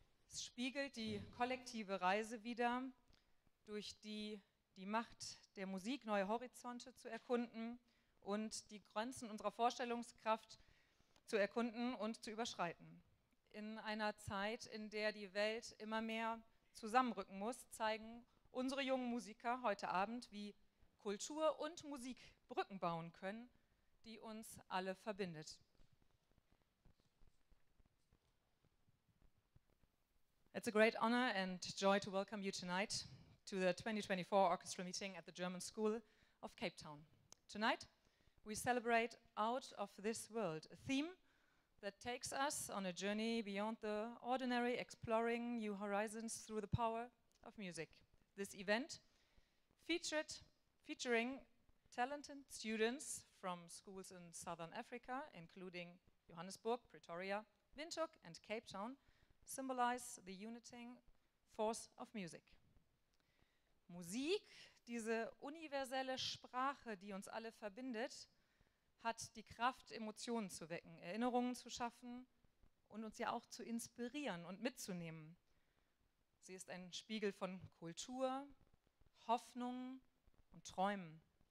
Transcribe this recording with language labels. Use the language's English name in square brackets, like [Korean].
[German] Es spiegelt die kollektive Reise wider, durch die die Macht der Musik neue Horizonte zu erkunden und die Grenzen unserer Vorstellungskraft zu erkunden und zu überschreiten. In einer Zeit, in der die Welt immer mehr zusammenrücken muss, zeigen unsere jungen Musiker heute Abend, wie Kultur und Musik Brücken bauen können, die uns alle verbindet. [English] It's a great honor and joy to welcome you tonight to the 2024 orchestra meeting at the German School of Cape Town. Tonight, we celebrate Out of This World, a theme that takes us on a journey beyond the ordinary, exploring new horizons through the power of music. This event, featuring talented students from schools in Southern Africa, including Johannesburg, Pretoria, Windhoek, and Cape Town, symbolize the uniting force of music. [German] Musik, diese universelle Sprache, die uns alle verbindet, hat die Kraft, Emotionen zu wecken, Erinnerungen zu schaffen und uns ja auch zu inspirieren und mitzunehmen. Sie ist ein Spiegel von Kultur, Hoffnung und Träumen.